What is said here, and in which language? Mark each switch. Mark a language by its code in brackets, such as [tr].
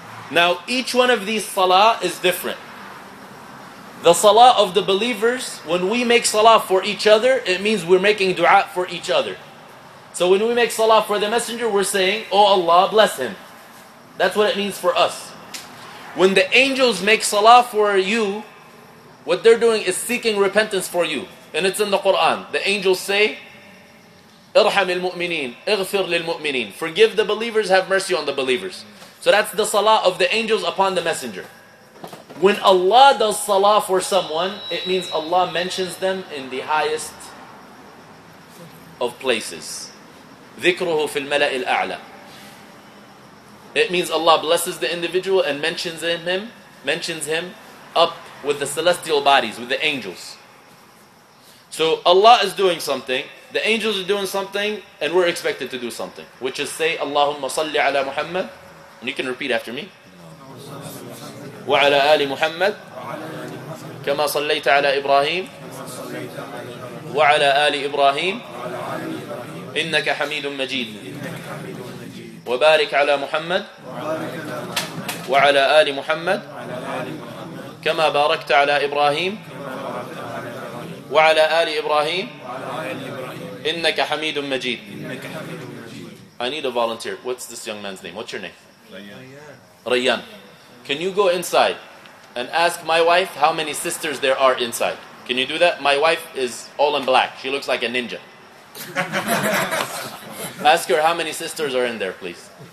[en] Now each one of these salah is different. The salah of the believers, when we make salah for each other, it means we're making dua for each other. So when we make salah for the Messenger, we're saying, O Allah, bless him. That's what it means for us. When the angels make salah for you, what they're doing is seeking repentance for you. And it's in the Quran. The angels say, [ar] ارحم المؤمنين, اغفر للمؤمنين. [en] Forgive the believers, have mercy on the believers. So that's the salah of the angels upon the Messenger. When Allah does salah for someone, it means Allah mentions them in the highest of places. [ar] ذِكْرُهُ فِي الْمَلَأِ الْأَعْلَى. [en] It means Allah blesses the individual and mentions him up with the celestial bodies, with the angels. So Allah is doing something, the angels are doing something, and we're expected to do something. Which is say, [ar] Allahumma salli ala Muhammad. [en] And you can repeat after me. [ar] Wa ala ali Muhammad. Kama sallaita ala Ibrahim. Wa ala ali Ibrahim. إنك حميد مجيد وبارك على محمد وعلى آل محمد كما باركت على إبراهيم وعلى آل إبراهيم إنك حميد مجيد. [en] I need a volunteer. What's this young man's name? What's your name? Rayyan. Can you go inside and ask my wife how many sisters there are inside? Can you do that? My wife is all in black. She looks like a ninja. Ask her how many sisters are in there, please.